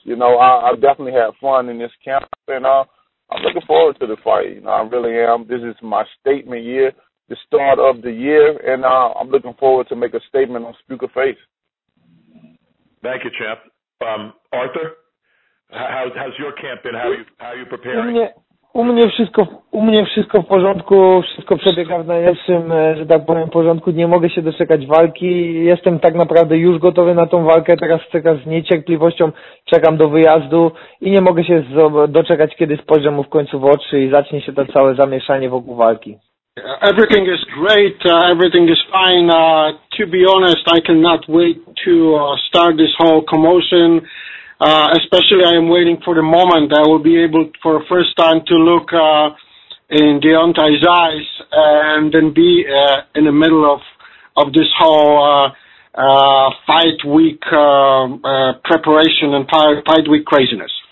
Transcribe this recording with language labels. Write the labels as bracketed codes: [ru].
[en] You know, I definitely had fun in this camp, and I'm looking forward to the fight. You know, I really am. This is my statement year, the start of the year, and I'm looking forward to make a statement on Spooker Face. Thank you, champ. Arthur, how's your camp been? How are you preparing? [pl] U mnie wszystko w porządku, wszystko przebiega w najlepszym, że tak powiem, porządku. Nie mogę się doczekać walki. Jestem tak naprawdę już gotowy na tą walkę. Teraz czekam z niecierpliwością, czekam do wyjazdu i nie mogę się doczekać, kiedy spojrzę mu w końcu w oczy i zacznie się to całe zamieszanie wokół walki. [en] Everything is great. Everything is fine. To be honest, I cannot wait to start this whole commotion. Especially I am waiting for the moment I will be able for the first time to look in Deontay's eyes and then be in the middle of this whole fight week preparation and fight week craziness.